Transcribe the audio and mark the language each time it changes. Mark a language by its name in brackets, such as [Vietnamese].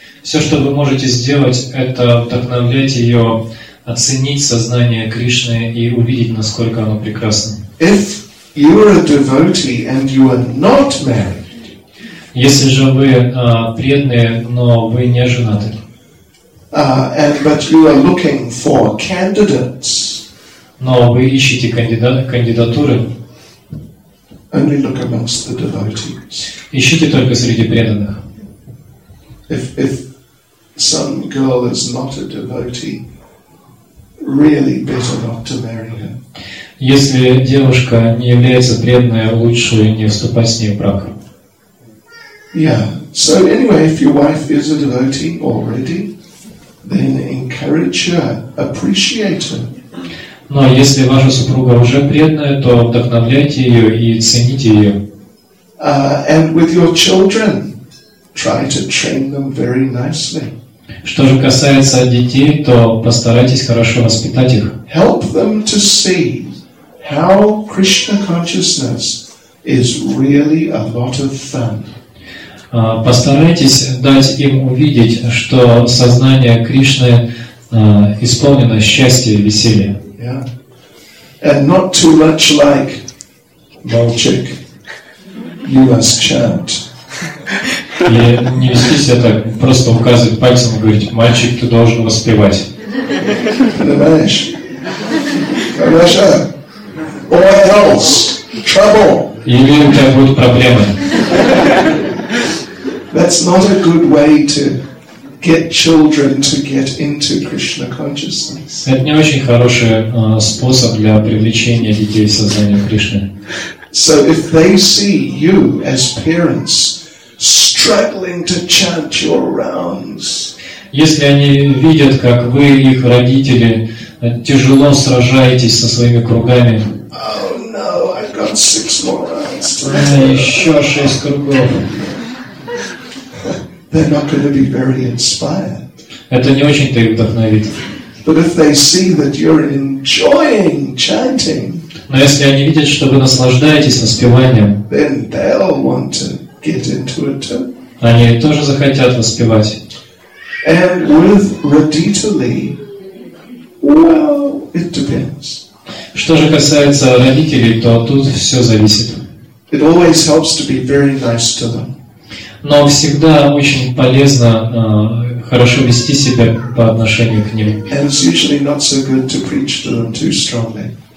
[Russian] Все, что вы можете сделать, это вдохновлять ее оценить сознание Кришны и увидеть, насколько оно прекрасно. [English] You are a devotee and you are not married. [Russian] Если же вы преданные, но вы не женаты. [English] But you are looking for candidates. [Russian] Но вы ищете кандидатуры. [English] Only look amongst the devotees. [Russian] Ищите только среди преданных. [English] If some girl is not a devotee, really better not to marry her. [Russian] Если девушка не является преданной, лучше не вступать с ней в брак. [English] Yeah. So anyway, if your wife is a devotee already, then encourage her, appreciate her. [Russian] Но если ваша супруга уже преданная, то вдохновляйте ее и цените ее. [English] And with your children, try to train them very nicely. [Russian] Что же касается детей, то постарайтесь хорошо воспитать их. [English] Help them to see how Krishna consciousness is really a lot of fun. [Russian] Постарайтесь дать им увидеть, что сознание Кришны исполнено счастья и веселья. [English] Yeah. And not too much like Balchik. You must chant. [Russian] И не вести себя так, просто указывать пальцем и говорить: мальчик, ты должен воспевать. Понимаешь? Хорошо. [English] Or else, trouble. [Russian] Или у тебя будут проблемы. [English] That's not a good way to get children to get into Krishna consciousness. [Russian] Это не очень хороший способ для привлечения детей в сознание Кришны. [English] So if they see you as parents struggling to chant your rounds. [Russian] Если они видят, как вы, их родители, тяжело сражаетесь со своими кругами. [English] Oh no, I've got six more rounds. [Russian] Еще шесть кругов. [English] They're not going to be very inspired. [Russian] Это не очень-то их вдохновит. [English] But if they see that you're enjoying chanting. [Russian] Но если они видят, что вы наслаждаетесь воспеванием, [English] then they'll want to get into it too. [Russian] Они тоже захотят воспевать. [English] And with Radhita Lee, well, it depends. [Russian] Что же касается родителей, то тут все зависит. [English] It always helps to be very nice to them. [Russian] Но всегда очень полезно хорошо вести себя по отношению к ним. [English] And it's usually not so good to preach to them too strongly.